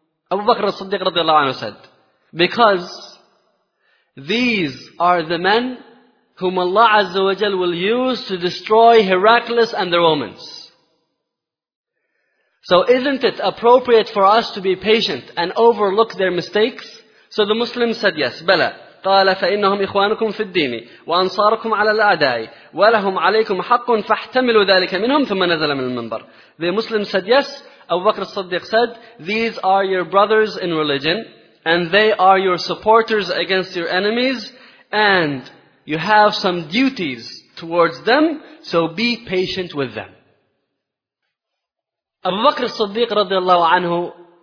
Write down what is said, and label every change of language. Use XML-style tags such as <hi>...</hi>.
<en>Abu Bakr as-Siddiq radiallahu anhu said, because these are the men whom Allah Azza wa Jal will use to destroy Heracles and the Romans. So isn't it appropriate for us to be patient and overlook their mistakes? So the Muslims said yes, bala.</en> <ar>قال فإنهم إخوانكم في الدين وأنصاركم على الأعداء ولهم عليكم حق فاحتملوا ذلك منهم ثم نزل من المنبر.</ar> <en>The Muslim said yes. Abu Bakr as-Siddiq said, these are your brothers in religion and they are your supporters against your enemies, and you have some duties towards them, so be patient with them. Abu Bakr as-Siddiq radiallahu anhu,</en>